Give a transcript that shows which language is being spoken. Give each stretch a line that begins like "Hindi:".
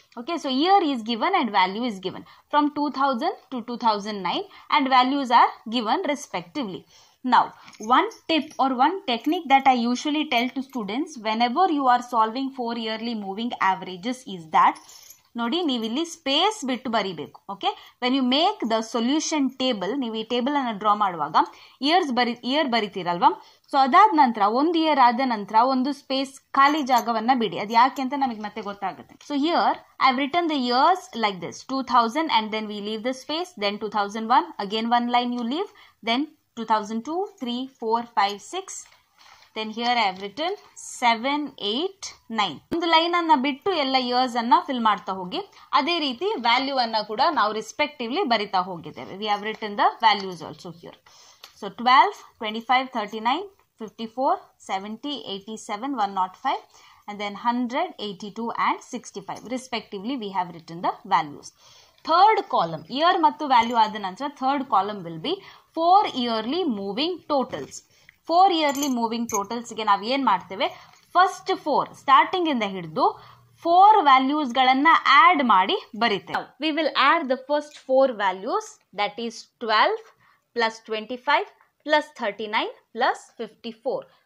English: Okay, so year is given and value is given from 2000 to 2009, and values are given respectively. Now, one tip or one technique that I usually tell to students whenever you are solving 4 yearly moving averages is that,
Kannada: ನೋಡಿ ನೀವಿಲ್ಲಿ space ಬಿಟ್ಟು ಬರೀಬೇಕು.
English: okay, when you make the solution table,
Kannada: ನೀವು ಈ table ಅನ್ನು draw ಮಾಡುವಾಗ year ಬರೀತೀರಲ್ವಾ. So ಅದಾದ ನಂತರ, ಒಂದು ಇಯರ್ ಆದ ನಂತರ ಒಂದು ಸ್ಪೇಸ್ ಖಾಲಿ ಜಾಗವನ್ನ ಬಿಡಿ. ಅದು ಯಾಕೆ ಅಂತ ನಮಗೆ ಮತ್ತೆ ಗೊತ್ತಾಗುತ್ತೆ.
English: So here I have written the years like this, 2000 and then we leave the space, then 2001, again one line you leave, then 2002, 3, 4, 5, 6. Then here I have written 7, 8, 9.
Kannada: ಒಂದು ಲೈನ್ ಬಿಟ್ಟು ಎಲ್ಲ ಇಯರ್ಸ್ ಅನ್ನ ಫಿಲ್ ಮಾಡ್ತಾ ಹೋಗಿ. ಅದೇ ರೀತಿ ವ್ಯಾಲ್ಯೂ ಅನ್ನ ಕೂಡ ನಾವು ರಿಸ್ಪೆಕ್ಟಿವ್ಲಿ ಬರಿತಾ ಹೋಗಿದ್ದೇವೆ.
English: We have written the values also here. So 12, 25, 39, 54, 70, 87, 105, and then 100, 82, and 65 respectively we have written the values.
Kannada: Third column, year ಮತ್ತು ವ್ಯಾಲ್ಯೂ ಆದ ನಂತರ third column
English: Will be 4 yearly moving totals.
Kannada: 4 yearly moving ಟೋಟಲ್ಸ್ಗೆ ನಾವೇನ್ ಮಾಡ್ತೇವೆ, first 4 starting ಇಂದ ಹಿಡಿದು 4 values ಗಳನ್ನ add ಮಾಡಿ ಬರೀತೇವೆ.
English: We will add the first 4 values, that is 12 + 25 + 39 + 54.